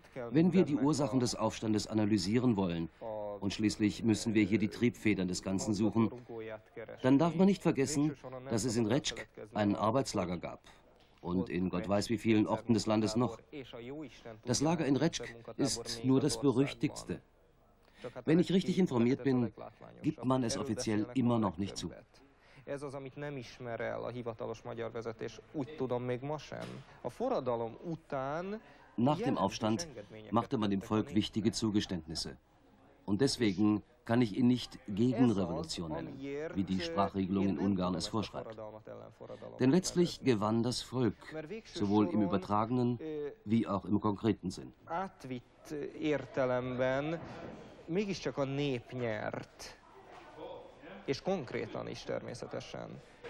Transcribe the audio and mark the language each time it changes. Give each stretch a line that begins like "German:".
German: Wenn wir die Ursachen des Aufstandes analysieren wollen, und schließlich müssen wir hier die Triebfedern des Ganzen suchen, dann darf man nicht vergessen, dass es in Recsk ein Arbeitslager gab und in Gott weiß wie vielen Orten des Landes noch. Das Lager in Recsk ist nur das berüchtigste. Wenn ich richtig informiert bin, gibt man es offiziell immer noch nicht zu.
Hungarian: Ez az, amit nem ismer el a hivatalos magyar vezetés, úgy tudom még ma sem. A forradalom után...
German: Nach dem Aufstand machte man dem Volk wichtige Zugeständnisse. Und deswegen kann ich ihn nicht Gegenrevolution nennen, wie die Sprachregelung in Ungarn es vorschreibt. Denn letztlich gewann das Volk, sowohl im übertragenen wie auch im konkreten Sinn.
Hungarian: Átvitt értelemben mégiscsak a nép nyert. És konkrétan is természetesen.